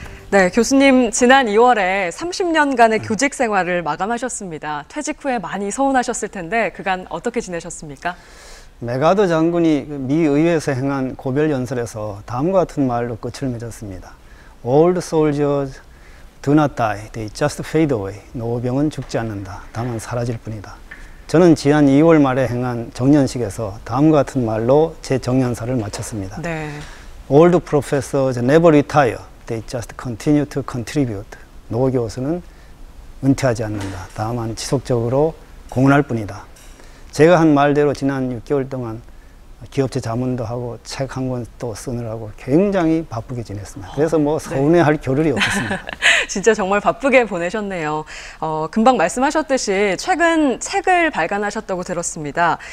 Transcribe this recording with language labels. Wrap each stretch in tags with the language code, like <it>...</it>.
<ko>네, 교수님, 지난 2월에 30년간의 교직 생활을 마감하셨습니다. 퇴직 후에 많이 서운하셨을 텐데, 그간 어떻게 지내셨습니까? 맥아더 장군이 미 의회에서 행한 고별 연설에서 다음과 같은 말로 끝을 맺었습니다.</ko> <en>All soldiers do not die, they just fade away.</en> <ko>노병은 죽지 않는다. 다만 사라질 뿐이다. 저는 지난 2월 말에 행한 정년식에서 다음과 같은 말로 제 정년사를 마쳤습니다. 네.</ko> <en>Old professors never retire. They just continue to contribute.</en> <ko>노 교수는 은퇴하지 않는다. 다만 지속적으로 공헌할 뿐이다. 제가 한 말대로 지난 6개월 동안 기업체 자문도 하고 책한권또 쓰느라고 굉장히 바쁘게 지냈습니다. 그래서 뭐 네. 서운해할 겨를이 없었습니다. 진짜 정말 바쁘게 보내셨네요. 금방 말씀하셨듯이 최근 책을 발간하셨다고 들었습니다.</ko>